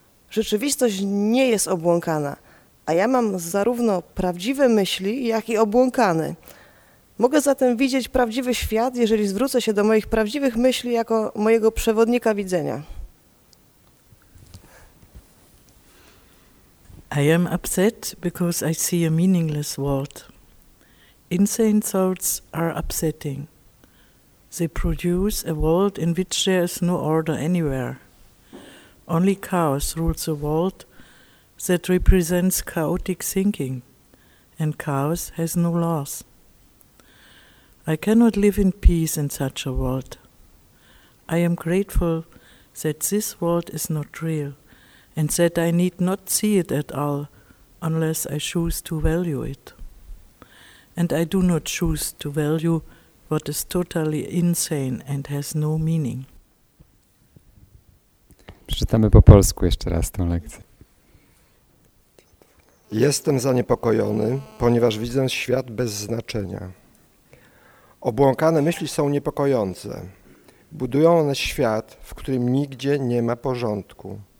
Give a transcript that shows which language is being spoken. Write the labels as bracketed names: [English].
[Polish] Rzeczywistość nie jest obłąkana, a ja mam zarówno prawdziwe myśli, jak i obłąkane. Mogę zatem widzieć prawdziwy świat, jeżeli zwrócę się do moich prawdziwych myśli jako mojego przewodnika widzenia. [English] I am upset because I see a meaningless world. Insane thoughts are upsetting. They produce a world in which there is no order anywhere. Only chaos rules a world that represents chaotic thinking, and chaos has no laws. I cannot live in peace in such a world. I am grateful that this world is not real, and that I need not see it at all unless I choose to value it. And I do not choose to value what is totally insane and has no meaning. [Polish] Przeczytamy po polsku jeszcze raz tę lekcję. Jestem zaniepokojony, ponieważ widzę świat bez znaczenia. Obłąkane myśli są niepokojące. Budują one świat, w którym nigdzie nie ma porządku.